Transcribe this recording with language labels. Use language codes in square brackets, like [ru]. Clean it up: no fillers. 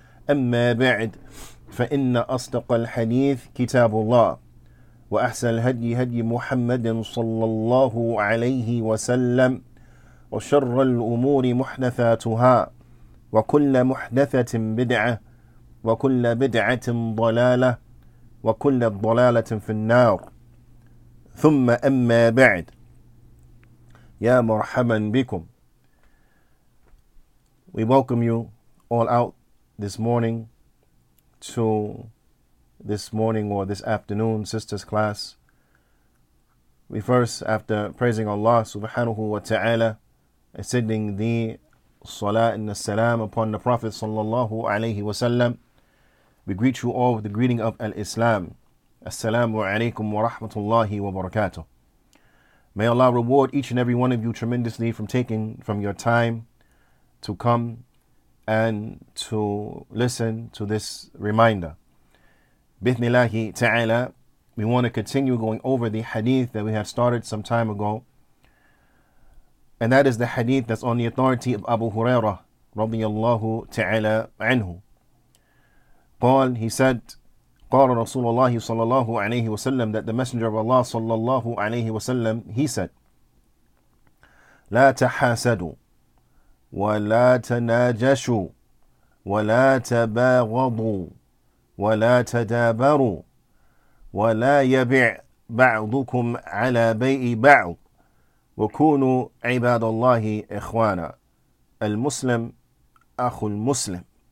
[ar] أما بعد فإن أصدق الحديث كتاب الله وأحسن الهدي هدي محمد صلى الله عليه وسلم وشر الأمور محدثاتها وكل محدثة بدعة وكل بدعة ضلالة وكل ضلالة في النار ثم أما بعد يا مرحبا بكم. [en] We welcome you all out this morning to this morning or this afternoon sisters class. We first, after praising Allah subhanahu wa ta'ala, ascending the salah and the salam upon the Prophet sallallahu alayhi wa sallam, we greet you all with the greeting of al-Islam. [ar] Assalamu alaykum wa rahmatullahi wa barakatuh. [en] May Allah reward each and every one of you tremendously from taking from your time to come and to listen to this reminder. [ar] Bithnillahi ta'ala, [en] we want to continue going over the hadith that we have started some time ago. And that is the hadith that's on the authority of Abu Hurairah radiyallahu ta'ala anhu. [ar] قال, [en] he said, [ar] قال رسول الله صلى الله عليه وسلم, [en] that the Messenger of Allah [ar] صلى الله عليه وسلم, he said, لا تحاسدوا ولا تناجشوا ولا تباغضوا ولا تدابروا ولا يبع بعضكم على بيع بعض وكونوا عباد الله إخوانا المسلم أخو المسلم.